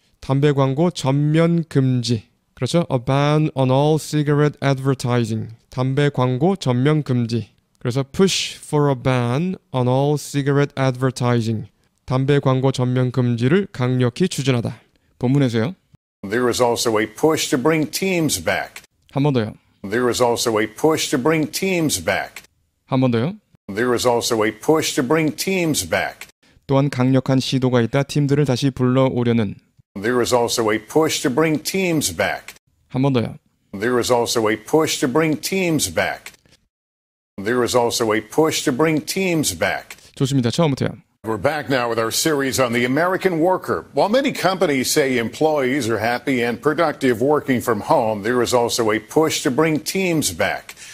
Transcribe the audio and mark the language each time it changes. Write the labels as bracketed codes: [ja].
[ko] 담배 광고 전면 금지. 그렇죠? [en] a ban on all cigarette advertising. [ko] 담배 광고 전면 금지. 그래서 [en] push for a ban on all cigarette advertising. [ko] 담배 광고 전면 금지를 강력히 추진하다. 본문에서요. [en] There is also a push to bring teams back. [ko] 한 번 더요. [en] There is also a push to bring teams back. [ko] 한 번 더요. [en] There is also a push to bring teams back. [ko] 또한 강력한 시도가 있다. 팀들을 다시 불러오려는. [en] There is also a push to bring teams back. [ko] 한 번 더요. [en] There is also a push to bring teams back. There is also a push to bring teams back. [ko] 좋습니다. 처음부터요. [en] We're back now with our series on the American worker. While many companies say employees are happy and productive working from home, there is also a push to bring teams back.